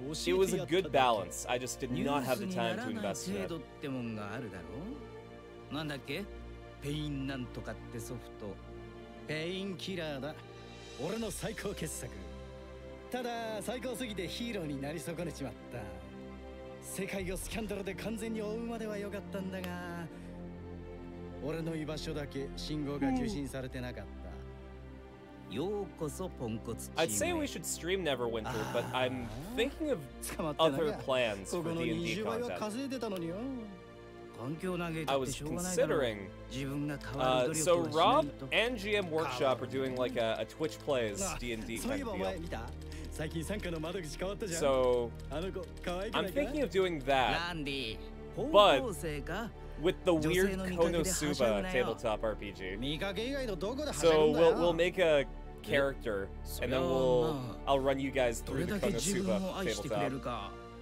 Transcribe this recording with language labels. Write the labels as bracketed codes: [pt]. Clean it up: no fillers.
[en] It was a good balance. I just did not have the time to invest in it. [ja] ってもんがあるだろう。なんだっけ？ペインなんとかってソフト。ペインキラーだ。俺の最高傑作。ただ、最高すぎてヒーローになり損ねちまった。世界をスキャンダルで完全に覆うまではよかったんだが、俺の居場所だけ信号が受信されてなかった。ようこそポンコツチーム。 [en] I'd say we should stream Neverwinter, but I'm thinking of other plans for D&D content. [ja] ここの20倍は稼いでたのによ。環境投げててしょうがないだろう。自分が変わる努力をしないと。 [en] So Rob and GM Workshop are doing like a Twitch plays D&D kind of deal. [ja] そういえばお前見た？最近参加の窓口変わったじゃん。 [en] So, [ja] あの子可愛くないか？ [en] I'm thinking of doing that. [ja] ランディ、高校生か？ [en] But with the weird Konosuba tabletop RPG. [ja] 見かけ以外のどこではしゃぐんだよ。 [en] So we'll make a K character, and then I'll run you guys through the Konosuba tabletop.